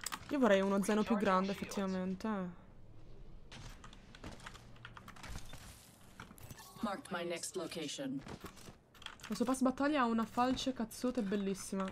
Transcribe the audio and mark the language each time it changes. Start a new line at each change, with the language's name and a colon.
Italian: Io vorrei uno zaino più grande, effettivamente.
English: Marked my next location.
Italian: Questo pass battaglia ha una falce cazzuta e bellissima.